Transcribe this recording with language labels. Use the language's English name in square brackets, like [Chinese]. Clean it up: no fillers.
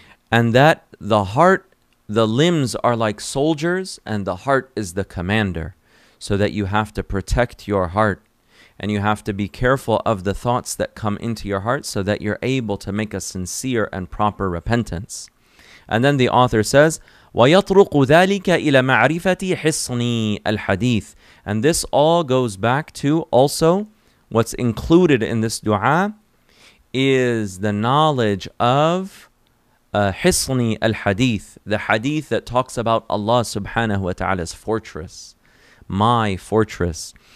[English] And that the heart, the limbs are like soldiers and the heart is the commander. So that you have to protect your heart and you have to be careful of the thoughts that come into your heart so that you're able to make a sincere and proper repentance. And then the author says, [Arabic] ويطرق ذلك إلى معرفة حصني الحديث. [English] And this all goes back to also what's included in this dua is the knowledge of حصني الحديث, the hadith that talks about Allah subhanahu wa ta'ala's fortress, my fortress.